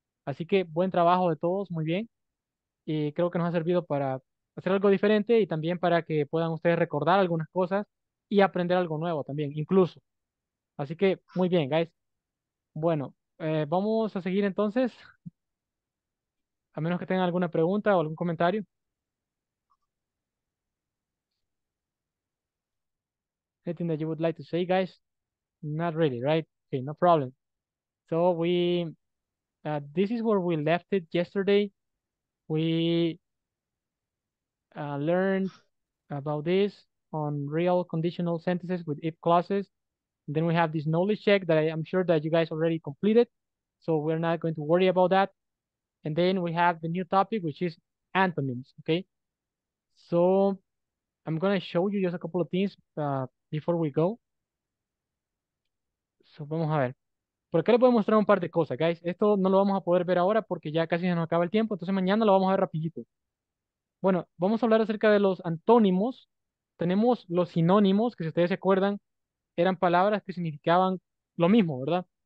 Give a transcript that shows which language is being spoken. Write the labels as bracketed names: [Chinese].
[Spanish] Así que buen trabajo de todos, muy bien. Y creo que nos ha servido para hacer algo diferente y también para que puedan ustedes recordar algunas cosas y aprender algo nuevo también, incluso. Así que muy bien, guys. Bueno, vamos a seguir entonces. A menos que tengan alguna pregunta o algún comentario. [English] Anything that you would like to say, guys? Not really, right? Okay, no problem. So we. This is where we left it yesterday. We learned about this on real conditional sentences with if clauses. And then we have this knowledge check that I am sure that you guys already completed. So we're not going to worry about that. And then we have the new topic, which is antonyms. Okay. So I'm going to show you just a couple of things before we go. [Spanish] So vamos a ver. Por acá les voy a mostrar un par de cosas, guys. Esto no lo vamos a poder ver ahora porque ya casi se nos acaba el tiempo. Entonces mañana lo vamos a ver rapidito. Bueno, vamos a hablar acerca de los antónimos. Tenemos los sinónimos, que si ustedes se acuerdan, eran palabras que significaban lo mismo, ¿verdad?